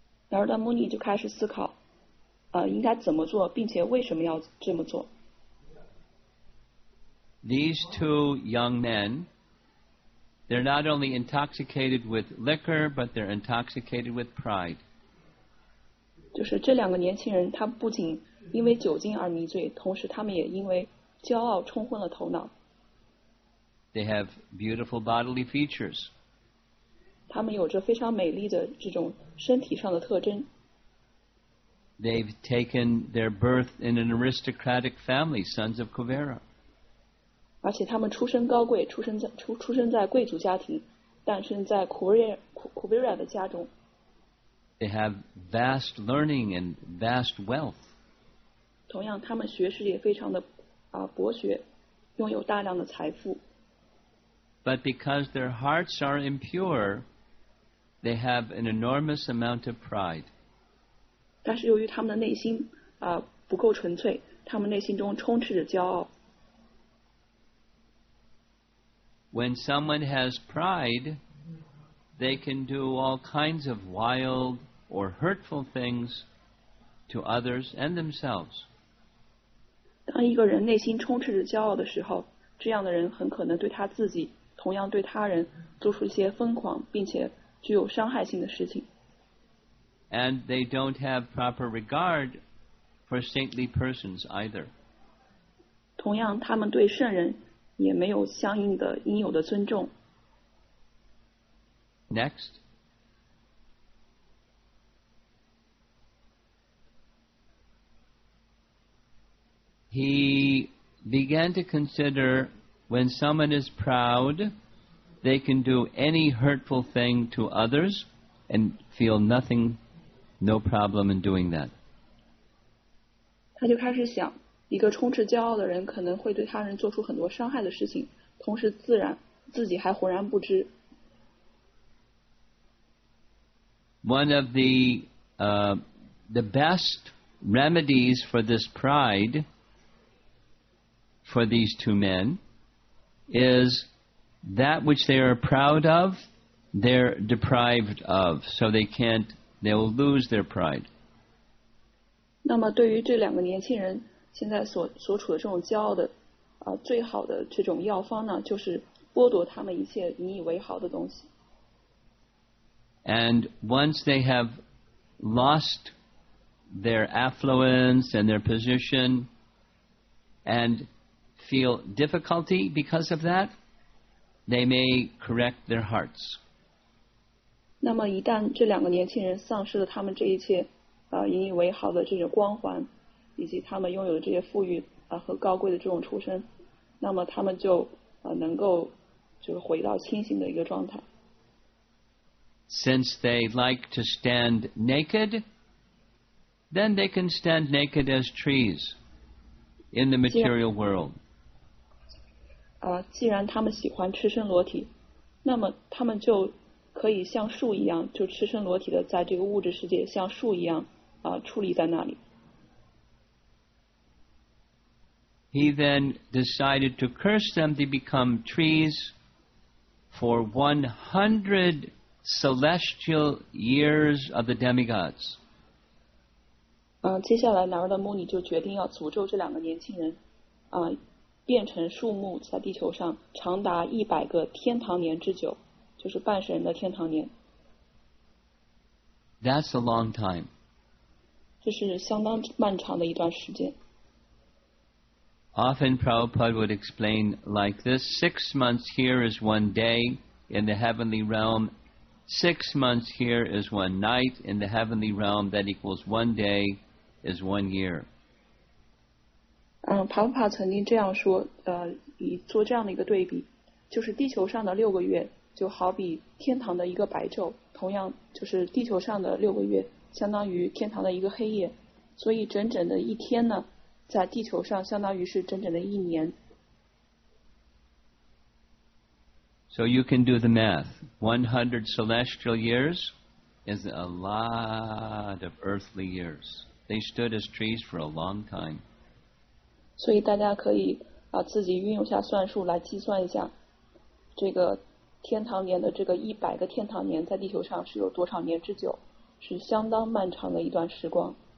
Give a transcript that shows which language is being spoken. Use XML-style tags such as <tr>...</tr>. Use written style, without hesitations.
<zh>Narada Muni 就开始思考，应该怎么做，并且为什么要这么做。</zh> <en>These two young men, they're not only intoxicated with liquor, but they're intoxicated with pride.</en> <zh>就是这两个年轻人，他不仅因为酒精而迷醉，同时他们也因为骄傲冲昏了头脑。</zh> <en>They have beautiful bodily features.</en> <zh>他们有着非常美丽的这种身体上的特征。</zh> <en>They've taken their birth in an aristocratic family, sons of Kuvera.</en> <zh>而且他们出身高贵，出生在贵族家庭，诞生在Kuvera的家中。</zh> <en>They have vast learning and vast wealth.</en> <zh>同样，他们学识也非常的博学，拥有大量的财富。</zh> <en>But because their hearts are impure, they have an enormous amount of pride.</en> <zh>但是由于他们的内心不够纯粹，他们内心中充斥着骄傲。</zh> <en>When someone has pride, they can do all kinds of wild things. or hurtful things to others and themselves.</en> <zh>当一个人内心充斥着骄傲的时候，这样的人很可能对他自己，同样对他人做出一些疯狂并且具有伤害性的事情。</zh> <en>And they don't have proper regard for saintly persons either.</en> <zh>同样，他们对圣人也没有相应的应有的尊重。</zh> <en>Next. He began to consider when someone is proud, they can do any hurtful thing to others and feel nothing, no problem in doing that.</en> <zh>他就开始想，一个充斥骄傲的人可能会对他人做出很多伤害的事情，同时自己还浑然不知。</zh> <en>One of the best remedies for this pride for these two men is that which they are proud of, they're deprived of, so they will lose their pride.</en> <zh>那么对于这两个年轻人现在所处的这种骄傲的最好的这种药方呢，就是剥夺他们一切引以为豪的东西。</zh> <en>And once they have lost their affluence and their position and feel difficulty because of that, they may correct their hearts.</en> <zh>那么一旦这两个年轻人丧失了他们这一切引以为豪的这种光环，以及他们拥有的这些富裕和高贵的这种出身，那么他们就能够就是回到清醒的一个状态。</zh> <en>Since they like to stand naked, then they can stand naked as trees in the material world.</en> <zh>既然他们喜欢赤身裸体，那么他们就可以像树一样，就赤身裸体的在这个物质世界像树一样矗立在那里。</zh> <en>He then decided to curse them to become trees for 100 celestial years of the demigods.</en> <zh>接下来南无的牟尼就决定要诅咒这两个年轻人变成树木，在地球上长达100个天堂年之久，就是半神的天堂年。</zh> <en>That's a long time.</en> <zh>这是相当漫长的一段时间。</zh> <en>Often Prabhupada would explain like this, 6 months here is one day in the heavenly realm, 6 months here is one night in the heavenly realm, that equals one day is one year.</en> <zh>Prabhupada 曾经这样说，以做这样的一个对比，就是地球上的六个月就好比天堂的一个白昼，同样就是地球上的六个月相当于天堂的一个黑夜，所以整整的一天呢，在地球上相当于是整整的一年。</zh> <en>So you can do the math. 100 celestial years is a lot of earthly years. They stood as trees for a long time.</en> <zh>所以大家可以自己运用下算术来计算一下这个天堂年的这个100个天堂年在地球上是有多少年之久，是相当漫长的一段时光。</zh>